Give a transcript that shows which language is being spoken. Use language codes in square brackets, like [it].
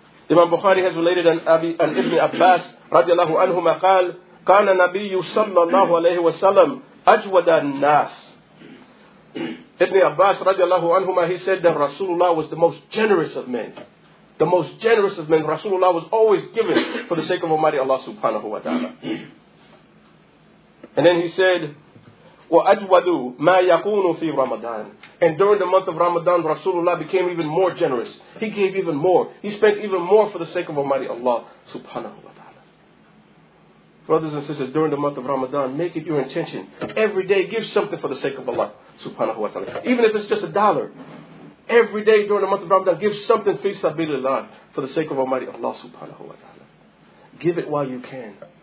[en] Imam Bukhari has related an Ibn Abbas radiallahu anhuma qal, [ar] kana nabiyyu sallallahu alayhi wa sallam ajwada nas. [en] Ibn Abbas radiallahu anhuma, he said that Rasulullah was the most generous of men. The most generous of men. Rasulullah was always giving for the sake of Almighty Allah subhanahu wa ta'ala. [ar] And then he said, وَأَجْوَدُ مَا يَقُونُ فِي رَمَضَانِ. [en] And during the month of Ramadan, Rasulullah became even more generous. He gave even more. He spent even more for the sake of Almighty Allah subhanahu wa ta'ala. Brothers and sisters, during the month of Ramadan, make it your intention. Every day, give something for the sake of Allah subhanahu wa ta'ala. Even if it's just a dollar. Every day during the month of Ramadan, give something fi sabilillah for the sake of Almighty Allah subhanahu wa ta'ala. Give it while you can.